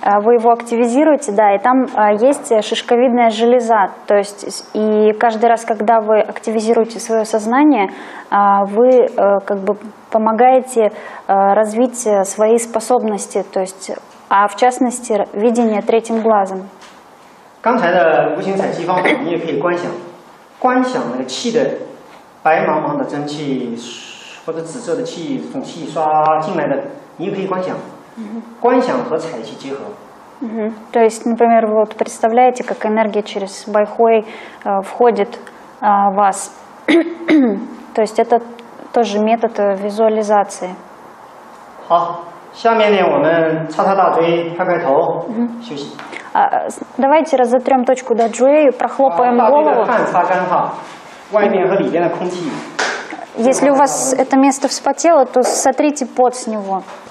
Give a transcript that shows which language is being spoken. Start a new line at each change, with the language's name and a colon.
Russian: Вы его активизируете, да, и там есть шишковидная железа. То есть и каждый раз, когда вы активизируете свое сознание, вы как бы помогаете развить свои способности, то есть, а в частности, видение третьим глазом.
Chinese: 刚才的无形采气方法，你也可以观想，观想那个气的白茫茫的蒸汽或者紫色的气从气刷进来的，你也可以观想，观想和采气结合。
Russian: Угу. То есть, например, вы вот представляете, как энергия через байхуэй входит в вас. То есть это тоже метод визуализации.
Chinese: 好, 下面呢, 我们擦擦大椎, 拍拍头, 休息.
Russian: Давайте разотрем точку даджуэй, прохлопаем голову.
Chinese: 大椎的汗擦干哈, 外面和里面的空气.
Russian: Если у вас это место вспотело, то сотрите пот с него.